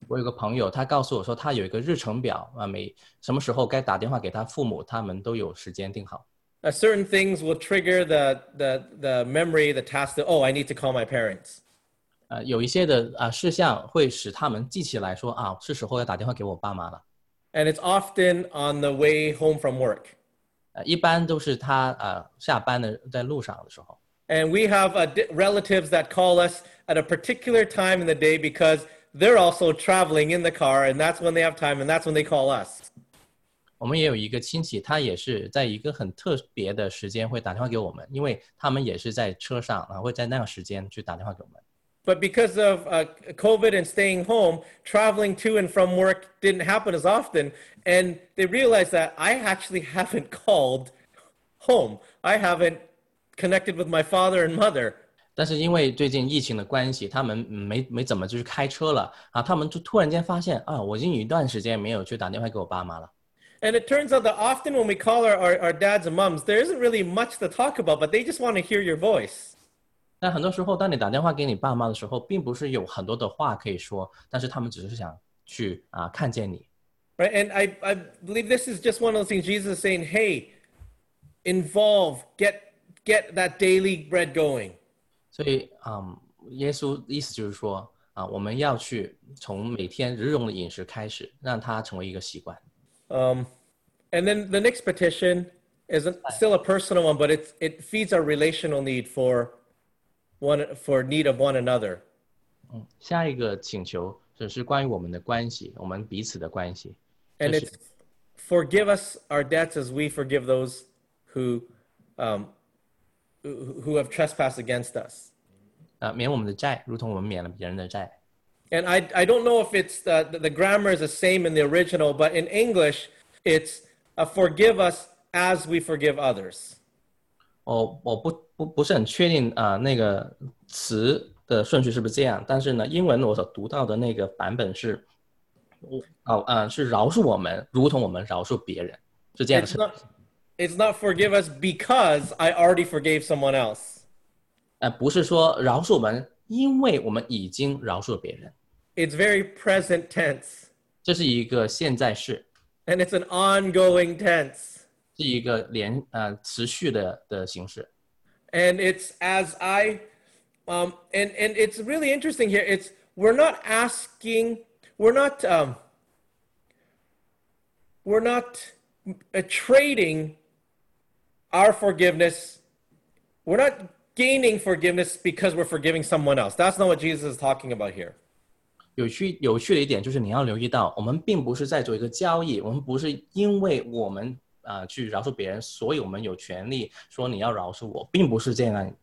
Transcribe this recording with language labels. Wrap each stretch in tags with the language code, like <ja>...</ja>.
<zh>我有个朋友，他告诉我说他有一个日程表啊，每什么时候该打电话给他父母，他们都有时间定好。</zh> <en>Certain things will trigger the memory, the task that, I need to call my parents.</en> <zh>有一些的事项会使他们记起来说啊，是时候要打电话给我爸妈了。</zh> <en>And it's often on the way home from work.</en> <zh>一般都是他下班的在路上的时候。</zh> <en>And we have relatives that call us at a particular time in the day because they're also traveling in the car and that's when they have time and that's when they call us.</en> <zh>我们也有一个亲戚，他也是在一个很特别的时间会打电话给我们，因为他们也是在车上，会在那个时间去打电话给我们。</zh> <en>But because of COVID and staying home, traveling to and from work didn't happen as often, and they realized that I actually haven't called home. I haven't connected with my father and mother.</en> <zh>但是因为最近疫情的关系，他们没怎么就是开车了，他们就突然间发现，我已经有一段时间没有去打电话给我爸妈了。</zh> <en>And it turns out that often when we call our dads and moms, there isn't really much to talk about, but they just want to hear your voice.</en> <zh>但很多时候，当你打电话给你爸妈的时候，并不是有很多的话可以说，但是他们只是想去看见你。</zh> <en>Right, and I believe this is just one of those things Jesus is saying, hey, involve, get that daily bread going.</en> <zh>所以耶稣意思就是说我们要去从每天日用的饮食开始，让它成为一个习惯。</zh> <en>And then the next petition is still a personal one, but it feeds our relational need for need of one another.</en> <zh>下一个请求就是关于我们的关系，我们彼此的关系。</zh> <en>And it's forgive us our debts as we forgive those who have trespassed against us.</en> <zh>免我们的债，如同我们免了别人的债。</zh> <en>And I don't know if it's the grammar is the same in the original, but in English, it's forgive us as we forgive others.</en> <zh>我不是很确定那个词的顺序是不是这样，但是呢，英文我所读到的那个版本是，是饶恕我们，如同我们饶恕别人，是这样的。</zh> <en>It's not forgive us because I already forgave someone else.</en> <zh>不是说饶恕我们。因为我们已经饶恕了别人。</zh> <en>It's very present tense.</en> <zh>这是一个现在式。</zh> <en>And it's an ongoing tense.</en> <zh>是一个连持续的形式。</zh> <en>And it's as I, and it's really interesting here. It's we're not asking, we're not trading our forgiveness. We're not. Gaining forgiveness because we're forgiving someone else. That's not what Jesus is talking about here.</en> <zh>有趣的一点就是你要留意到，我们并不是在做一个交易，我们不是因为我们去饶恕别人，所以我们有权利说你要饶恕我，并不是这样。</zh>